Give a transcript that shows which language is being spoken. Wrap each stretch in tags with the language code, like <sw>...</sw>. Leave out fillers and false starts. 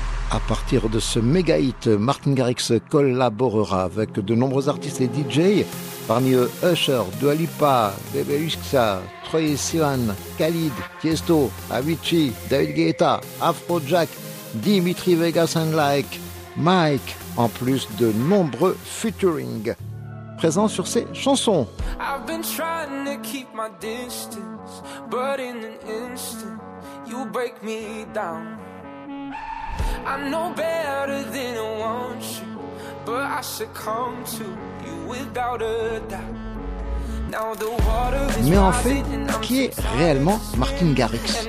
<fr>À partir de ce méga hit, Martin Garrix collaborera avec de nombreux artistes et DJ, parmi eux Usher, Dua Lipa, Bebe Rexha, Troy Sivan, Khalid, Tiesto, Avicii, David Guetta, Afrojack, Dimitri Vegas and Like, Mike, en plus de nombreux featuring présents sur ses chansons.</fr> <en>I've been trying to keep my distance, but in an instant, you break me down. I know better than I want you, but I succumb to you without a doubt.</en> <fr>Mais en fait, qui est réellement Martin Garrix?</fr>